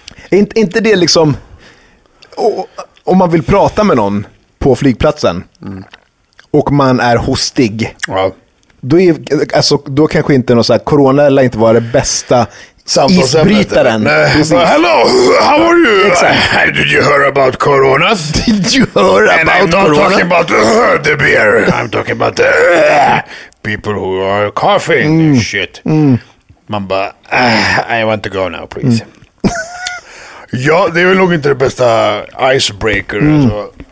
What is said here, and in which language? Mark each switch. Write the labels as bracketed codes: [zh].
[sv] inte det liksom, om man vill prata med någon på flygplatsen. Mm. Och man är hostig. Ja. Då är alltså då kanske inte någon så här corona eller inte var det bästa isbrytaren. [en] Hello, how are you? Exactly. Did you hear about corona? Did you hear about corona? I'm not talking about the beer. I'm talking about the people who are coughing shit. Mm. Mamba, I want to go now, please. [sv] Ja, det är väl nog inte det bästa icebreaker. Mm. Alltså.